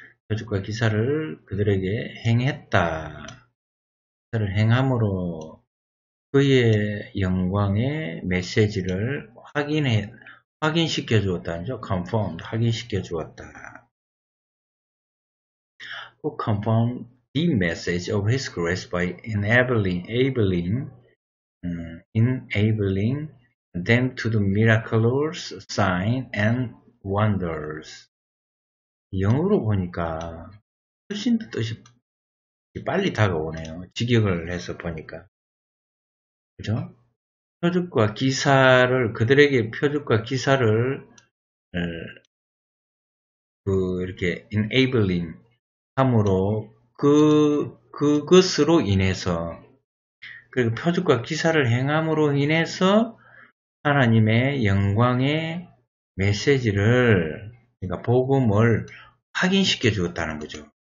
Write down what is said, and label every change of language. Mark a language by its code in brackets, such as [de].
[ko] 표적과 기사를 그들에게 행했다. 그들을 행함으로 그의 영광의 메시지를 확인시켜 주었다죠. [en] Confirmed. [ko] 확인시켜 주었다. [en] Who confirmed the message of his grace by enabling them to the miraculous sign and wonders. [ko] 영어로 보니까 훨씬 더 뜻이 빨리 다가오네요. 직역을 해서 보니까. 그죠? 표적과 기사를, 그들에게 표적과 기사를, 이렇게 enabling 함으로 그것으로 인해서, 그리고 표적과 기사를 행함으로 인해서 하나님의 영광의 메시지를, 그러니까 복음을 확인시켜 주었다는 거죠.